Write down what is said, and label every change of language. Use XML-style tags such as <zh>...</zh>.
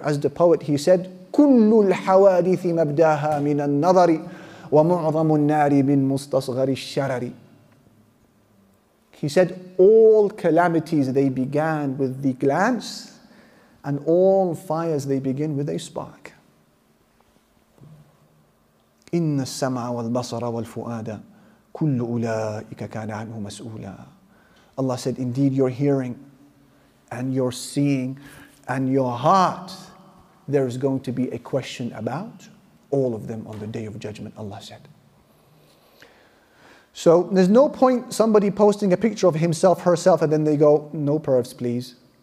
<en>As the poet, he said,</en> <ar>كُلُّ الْحَوَادِثِ مَبْدَاهَا مِنَ النَّظَرِ وَمُعْظَمُ النَّارِ مِنْ مُسْتَصْغَرِ الشَّرَرِ.</ar> <en>He said, all calamities, they began with the glance, and all fires, they begin with a spark.</en> <ar>إِنَّ السَّمْعَ وَالْبَصَرَ وَالْفُؤَادَ كُلُّ أُولَٰئِكَ كَانَ عَنْهُ مَسْؤُولًا.</ar> <en>Allah said, indeed, your hearing and your seeing and your heart, there is going to be a question about all of them on the Day of Judgment, Allah said. So there's no point somebody posting a picture of himself, herself, and then they go, no pervs, please.</en>